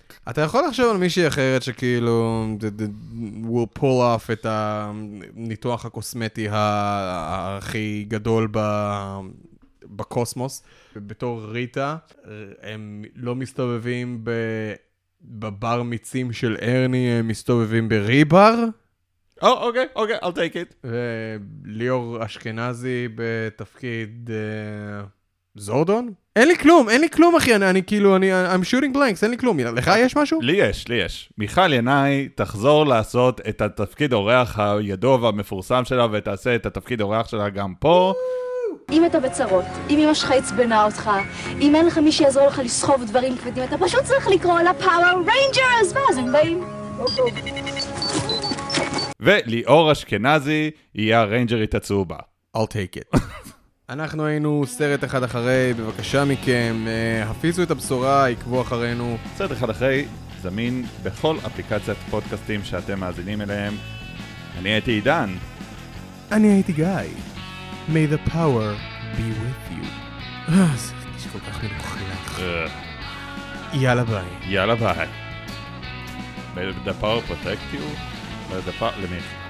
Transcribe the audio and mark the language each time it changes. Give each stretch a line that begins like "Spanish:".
Hebrew: אתה יכול לחשוב על מישהי אחרת שכאילו
English: will pull off
Hebrew: את הניתוח הקוסמטי הכי גדול בקוסמוס, בתור ריטה, הם לא מסתובבים בבר מיצים של ארני, הם מסתובבים בריבר.
English: אוקיי, אוקיי, I'll take it.
Hebrew: וליאור אשכנזי בתפקיד זורדון? אין לי כלום, אין לי כלום אחי, אני כאילו,
English: I'm shooting blanks,
Hebrew: אין לי כלום. לך יש משהו? לי יש, לי יש. מיכל ינאי תחזור לעשות את התפקיד אורח הידוע והמפורסם שלה, ותעשה את התפקיד אורח שלה גם פה. אם אתה בצרות, אם אמא שלך עצבנה אותך, אם אין לך מי שיעזור לך לסחוב דברים כבדים, אתה פשוט צריך לקרוא לה פאוור ריינג'רס, ואז הם באים. וליאור אשכנזי יהיה הריינג'רית הצהובה.
English: I'll take it.
Hebrew: אנחנו היינו סרט אחד אחרי, בבקשה מכם, הפיצו את הבשורה, עקבו אחרינו. סרט אחד אחרי, זמין בכל אפליקציית פודקאסטים שאתם מאזינים אליהם. אני הייתי עידן. אני הייתי גיא.
English: May the power be with you.
Hebrew: זה נשכח כל כך מנוחלך. יאללה ביי. יאללה ביי.
English: May the power protect you. May the power let me.